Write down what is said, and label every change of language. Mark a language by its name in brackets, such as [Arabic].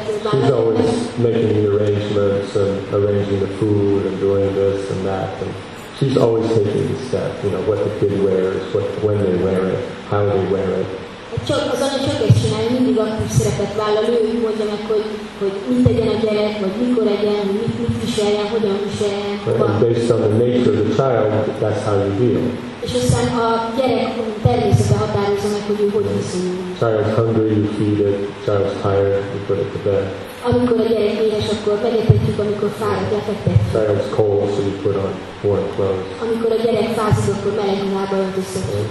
[English] She's always making the arrangements and arranging the food and doing this and that. And she's always taking the step, you know, what the kid wears, what, when they wear it, how they wear it. [Hungarian] Az anya csak ezt csinálja, mindig aktív szerepet vállal, ő mondja meg, hogy mit tegyen a gyerek, vagy mikor legyen, mit viseljen, hogyan viseljen. [English] And based on the nature of the child, that's how you deal. [Hungarian] És aztán a gyerek természete határozza meg, hogy ő hogy viszonyul. [English] Child's hungry, you feed it. Child's tired, you put it to bed. [Hungarian] Amikor a gyerek éhes, akkor megetetjük, amikor fáradt, lefektetjük. [English] Child's cold, so you put on warm clothes. [Hungarian] Amikor a gyerek fázik, akkor meleg ruhába öltözzük.